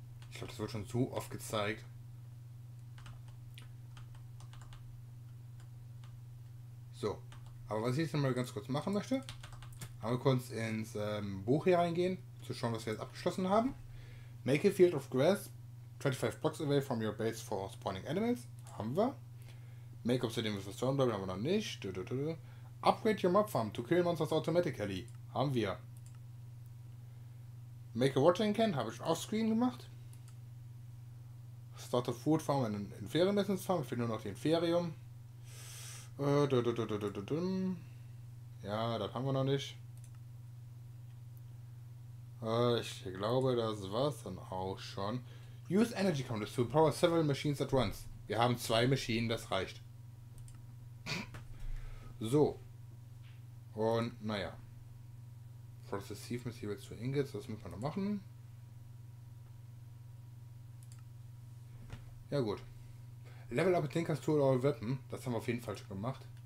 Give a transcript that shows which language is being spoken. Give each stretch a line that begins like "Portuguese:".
German: Ich glaube, das wird schon zu oft gezeigt. So. Aber was ich jetzt nochmal ganz kurz machen möchte, einmal kurz ins Buch hier reingehen, zu schauen, was wir jetzt abgeschlossen haben.
English: Make a field of grass 25 blocks away from your base for spawning animals.
German: Haben wir.
English: Make obsidian with a stone double,
German: haben wir noch nicht.
English: Upgrade your mob farm to kill monsters automatically.
German: Haben wir.
English: Make a watering can,
German: habe ich offscreen gemacht.
English: Start a food farm and an inferium business farm.
German: Ich finde nur noch die inferium. Ja, das haben wir noch nicht. Ich glaube, das war's dann auch schon.
English: Use energy counters to power several machines at once.
German: Wir haben zwei Maschinen, das reicht. So. Und, naja.
English: Processive materials to ingots,
German: das müssen wir noch machen. Ja, gut.
English: Level up a Tinker's Tool or Weapon.
German: Das haben wir auf jeden Fall schon gemacht.